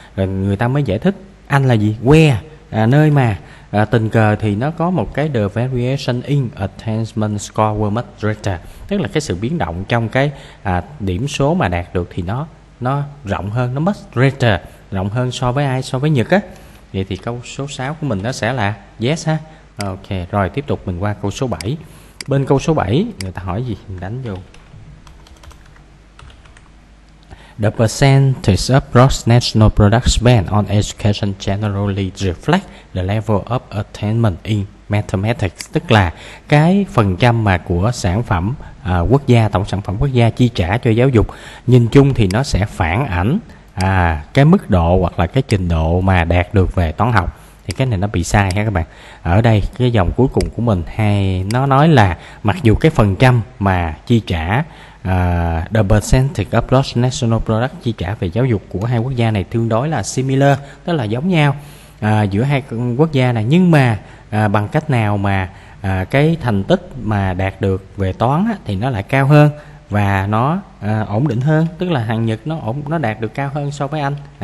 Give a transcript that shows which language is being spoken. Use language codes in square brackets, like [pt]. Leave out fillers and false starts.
[vi] Rồi người ta mới giải thích Anh là gì? Where, nơi mà tình cờ thì nó có một cái [en] the variation in attainment score were much greater, [vi] tức là cái sự biến động trong cái điểm số mà đạt được thì nó rộng hơn, nó [en] much greater, [vi] rộng hơn so với ai? So với Nhật á. Vậy thì câu số 6 của mình nó sẽ là yes ha. Ok, rồi tiếp tục mình qua câu số 7. Bên câu số 7 người ta hỏi gì, mình đánh vô. [en] The percentage of gross national product spent on education generally reflect the level of attainment in mathematics. [vi] Tức là cái phần trăm mà của sản phẩm quốc gia, tổng sản phẩm quốc gia chi trả cho giáo dục, nhìn chung thì nó sẽ phản ảnh cái mức độ hoặc là cái trình độ mà đạt được về toán học. Thì cái này nó bị sai ha các bạn. Ở đây cái dòng cuối cùng của mình hay nó nói là mặc dù cái phần trăm mà chi trả [en] the percentage of gross national product [vi] chi trả về giáo dục của hai quốc gia này tương đối là similar, tức là giống nhau giữa hai quốc gia này, nhưng mà bằng cách nào mà cái thành tích mà đạt được về toán á, thì nó lại cao hơn và nó ổn định hơn, tức là hàng Nhật nó đạt được cao hơn so với Anh.